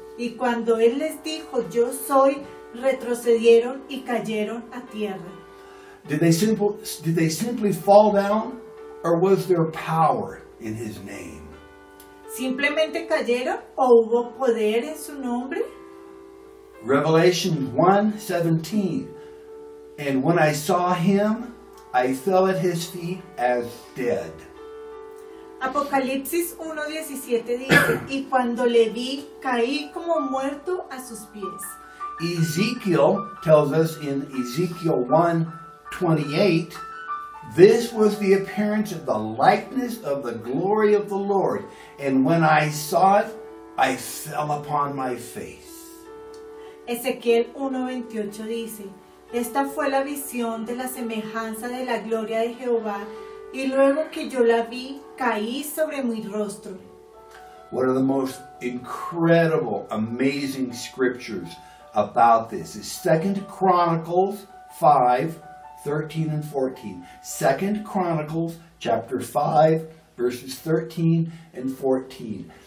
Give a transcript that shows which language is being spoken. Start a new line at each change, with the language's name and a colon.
Spanish: Y cuando él les dijo, yo soy, retrocedieron y cayeron a tierra.
English: Did they simply fall down, or was there power in his name?
Spanish: ¿Simplemente cayeron o hubo poder en su nombre?
English: Revelation 1:17, and when I saw him, I fell at his feet as dead.
Spanish: Apocalipsis 1:17 dice, y cuando le vi, caí como muerto a sus pies.
English: Ezekiel tells us in Ezekiel 1:28, this was the appearance of the likeness of the glory of the Lord, and when I saw it, I fell upon my face.
Spanish: Ezequiel 1:28 dice, esta fue la visión de la semejanza de la gloria de Jehová, y luego que yo la vi, caí sobre mi rostro.
English: One of the most incredible, amazing scriptures about this is 2 Chronicles 5:13-14. 2 Chronicles 5:13-14.